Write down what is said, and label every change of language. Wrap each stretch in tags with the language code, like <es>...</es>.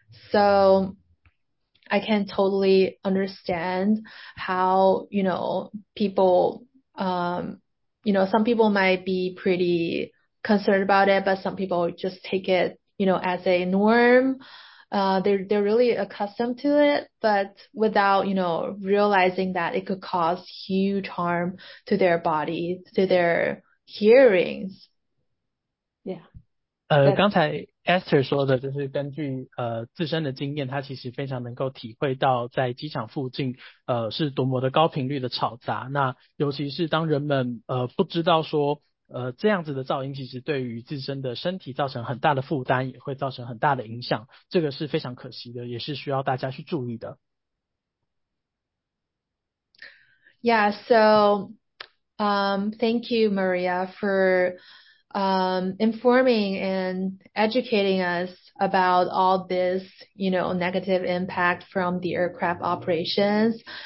<en>So I can totally understand how, you know, people, you know, some people might be pretty concerned about it, but some people just take it, you know, as a norm. They're really accustomed to it, but without, you know, realizing that it could cause huge harm to their body, to their hearings. Yeah.</en> <zh>刚才 Esther 说的就是根据自身的经验，他其实非常能够体会到在机场附近是多么的高频率的吵杂，那尤其是当人们不知道说这样子的噪音其实对于自身的身体造成很大的负担，也会造成很大的影响，这个是非常可惜的，也是需要大家去注意的。</zh> <en>Yeah, so thank you Maria forinforming and educating us about all this, you know, negative impact from the aircraft operations.</en>